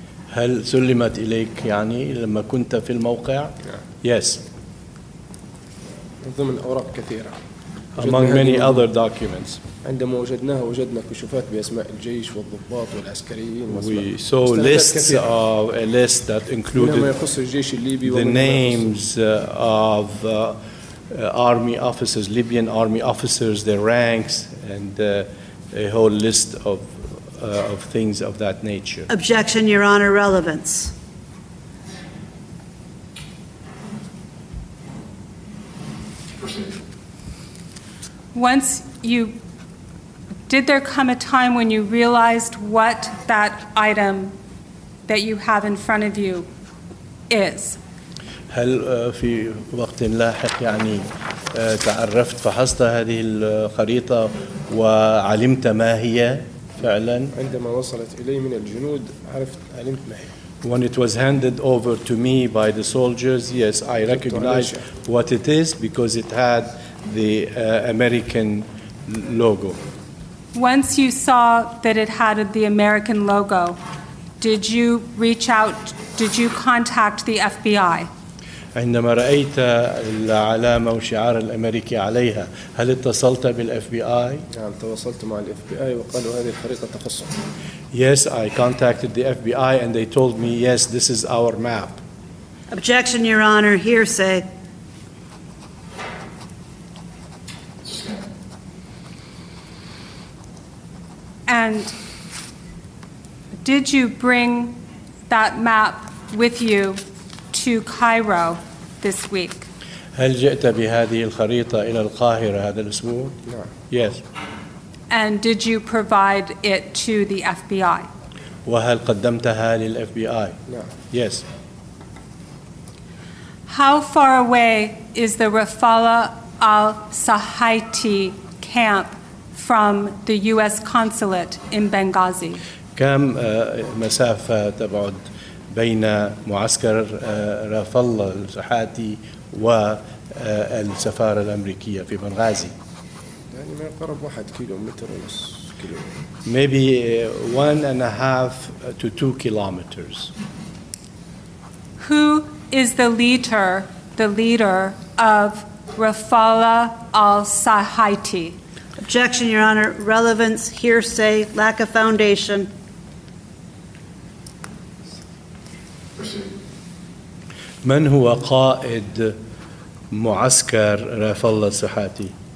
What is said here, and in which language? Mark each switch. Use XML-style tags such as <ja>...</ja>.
<ar>هل سلمت إليك يعني لما كنت في الموقع؟</ar> <en>Yes.</en> <ar>ضمن أوراق كثيرة.</ar> <en>Among many other documents.</en> <ar>عندما وجدناها وجدنا كشوفات بأسماء الجيش والضباط والعسكريين.</ar> <en>We saw lists of a list that included the names of army officers, Libyan army officers, their ranks, and a whole list of things of that nature. Objection, Your Honor. Relevance. Once you did, there come a time when you realized what that item that you have in front of you is.</en> <ar>هل في وقت لاحق يعني تعرفت فحصت هذه الخريطة وعلمت ما هي فعلا؟ عندما وصلت إلي من الجنود عرفت علمت ما هي.</ar> <en>When it was handed over to me by the soldiers, yes, I recognized what it is because it had the American logo. Once you saw that it had the American logo, did you reach out, did you contact the FBI?</en> <ar>عندما رأيت العلامة وشعار الأمريكي عليها، هل اتصلت بالFBI؟ نعم، تواصلت مع الFBI وقالوا هذه الخريطة تخصك.</ar> <en>Yes, I contacted the FBI and they told me, yes, this is our map. Objection, Your Honor. Hearsay. And did you bring that map with you to Cairo this week?</en> <ar>هل جئت بهذه الخريطة إلى القاهرة هذا الأسبوع؟ نعم.</ar> <en>Yes. And did you provide it to the FBI?</en> <ar>وهل قدمتها للFBI?</ar> <en>No. Yes. How far away is the Rafala al-Sahaiti camp from the U.S. consulate in Benghazi?</en> <ar>كم مسافة تبعد بين معسكر رافالا السحاتي والسفارة الأمريكية في بنغازي؟ يعني ما يقرب 1 كيلومتر ونص كيلو.</ar> <en>Maybe 1.5 to 2 kilometers. Who is the leader of Rafala al-Sahaiti? Objection, Your Honor. Relevance, hearsay, lack of foundation.</en> <ar>من هو قائد معسكر رافالا السحاتي؟</ar>